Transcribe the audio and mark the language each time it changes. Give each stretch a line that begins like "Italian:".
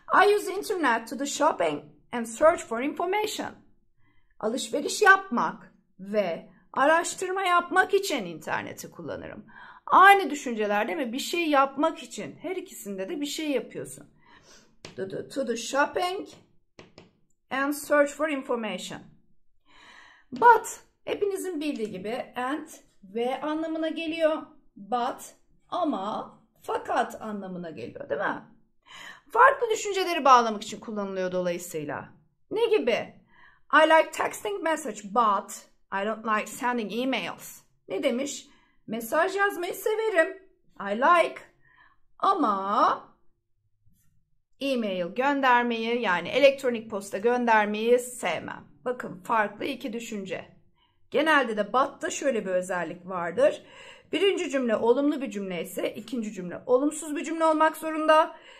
English: I use internet to the shopping and search for information.
Turkish: Alışveriş yapmak ve araştırma yapmak için interneti kullanırım. Aynı düşünceler değil mi? Bir şey yapmak için. Her ikisinde de bir şey yapıyorsun.
English: To the shopping and search for information.
Turkish: But hepinizin bildiği gibi and ve anlamına geliyor. But ama fakat anlamına geliyor, değil mi? Farklı düşünceleri bağlamak için kullanılıyor dolayısıyla. Ne gibi?
English: I like texting message but I don't like sending emails.
Turkish: Ne demiş? Mesaj yazmayı severim.
English: I like.
Turkish: Ama e-mail göndermeyi, yani elektronik posta göndermeyi sevmem. Bakın farklı iki düşünce. Genelde de BAT'ta şöyle bir özellik vardır. Birinci cümle olumlu bir cümle ise ikinci cümle olumsuz bir cümle olmak zorunda.